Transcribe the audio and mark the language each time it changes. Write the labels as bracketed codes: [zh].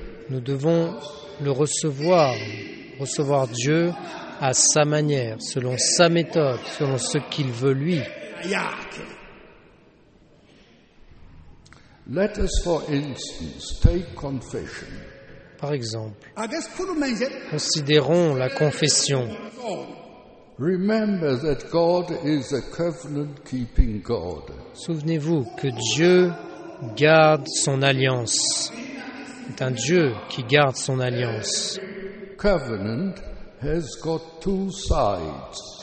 [fr] Nous devons le recevoir Dieu à sa manière, selon sa méthode, selon ce qu'il veut lui. [en] Let us, for instance, take confession. [fr] Par exemple, considérons la confession. [en] Remember that God is a covenant-keeping God. [fr] Souvenez-vous que Dieu garde son alliance. C'est un Dieu qui garde son alliance. [en] Covenant has got two sides.